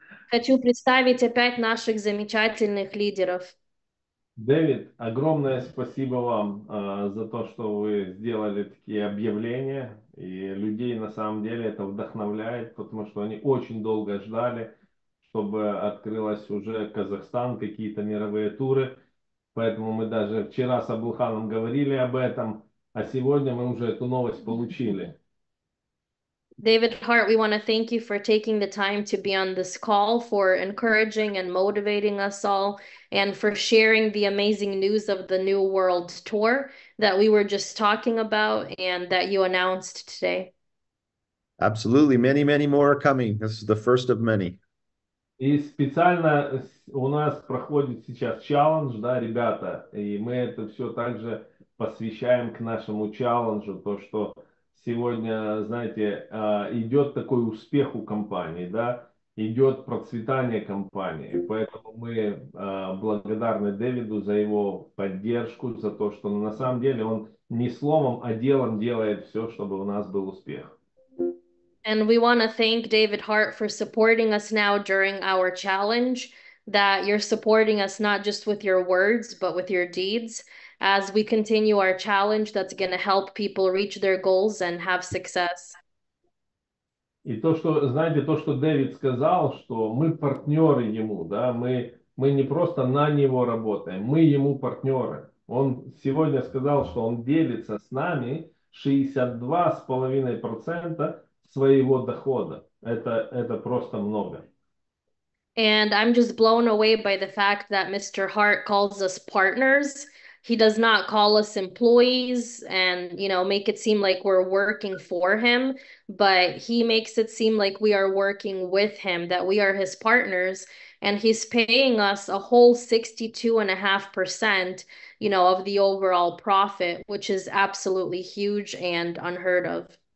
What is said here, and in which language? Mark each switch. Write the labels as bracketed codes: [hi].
[ru] Хочу представить опять наших замечательных лидеров. Дэвид, огромное спасибо вам за то, что вы сделали такие объявления. И людей на самом деле это вдохновляет, потому что они очень долго ждали, чтобы открылась уже Казахстан, какие-то мировые туры. Поэтому мы даже вчера с Абулханом говорили об этом, а сегодня мы уже эту новость получили. [en] David Hart, we want to thank you for taking the time to be on this call, for encouraging and motivating us all, and for sharing the amazing news of the New World Tour that we were just talking about and that you announced today. Absolutely. Many, many more are coming. This is the first of many. [ru] И специально у нас проходит сейчас челлендж, да, ребята, и мы это все также посвящаем к нашему челленджу, то, что сегодня, знаете, идет такой успех у компании, да, идет процветание компании. Поэтому мы благодарны Дэвиду за его поддержку, за то, что на самом деле он не словом, а делом делает все, чтобы у нас был успех. [en] And we want to thank David Hart for supporting us now during our challenge, that you're supporting us not just with your words, but with your deeds. As we continue our challenge, that's going to help people reach their goals and have success. [ru] И то, что, знаете, то, что Дэвид сказал, что мы партнеры ему, да, мы не просто на него работаем, мы ему партнеры. Он сегодня сказал, что он делится с нами 62,5% своего дохода. Это просто много. [en] And I'm just blown away by the fact that Mr. Hart calls us partners. He does not call us employees and, you know, make it seem like we're working for him, but he makes it seem like we are working with him, that we are his partners, and he's paying us a whole 62.5%, you know, of the overall profit, which is absolutely huge and unheard of.